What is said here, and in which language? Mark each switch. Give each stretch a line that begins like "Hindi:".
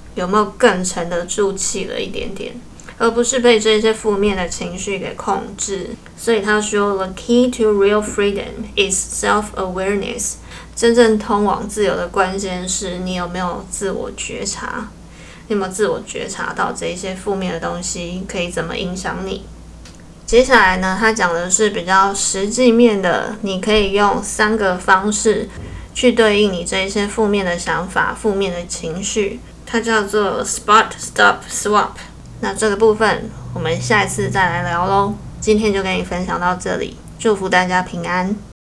Chinese: 有没有更沉得住气了一点点？而不是被这些负面的情绪给控制。所以他说
English: ，The key to real freedom is self-awareness。
Chinese: 真正通往自由的关键是你有没有自我觉察。你有没有自我觉察到这些负面的东西可以怎么影响你？接下来呢，他讲的是比较实际面的，你可以用三个方式去对应你这些负面的想法、负面的情绪。它叫做
English: spot, stop, swap。
Chinese: 那这个部分我们下一次再来聊咯。今天就跟你分享到这里，祝福大家平安。